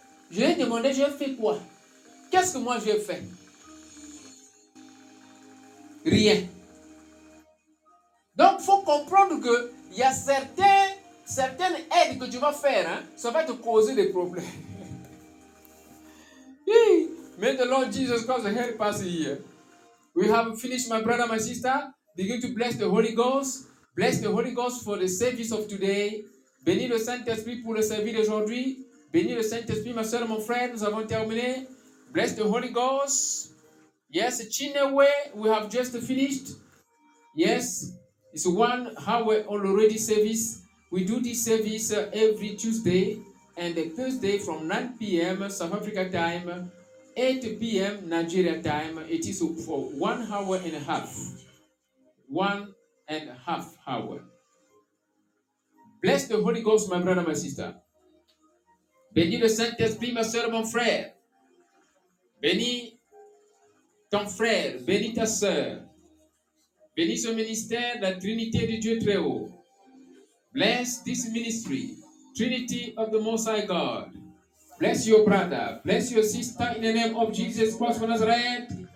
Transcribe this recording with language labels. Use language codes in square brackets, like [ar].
[fr] Je lui ai demandé, j'ai fait quoi? Qu'est-ce que moi j'ai fait? Rien. Donc, il faut comprendre que il y a certaines aides que tu vas faire, hein, ça va te causer des problèmes. [en] May the Lord Jesus Christ help us here. We have finished, my brother, my sister. Begin to bless the Holy Ghost. Bless the Holy Ghost for the service of today. [fr] Bénis le Saint-Esprit pour le servir aujourd'hui. Bénis le Saint-Esprit, ma soeur, mon frère, nous avons terminé. [en] Bless the Holy Ghost. Yes, Chinewe, we have just finished. Yes, it's 1 hour already service. We do this service every Tuesday and Thursday from 9 p.m. South Africa time, 8 p.m. Nigeria time. It is for 1 hour and a half. 1.5 hours. Bless the Holy Ghost, my brother, my sister. [fr] Bénis le Saint-Esprit, ma soeur, mon frère. Bénis ton frère, bénis ta soeur. Bénis ce ministère, la Trinité de Dieu très haut. [en] Bless this ministry, Trinity of the Most High God. Bless your brother, bless your sister in the name of Jesus Christ of Nazareth.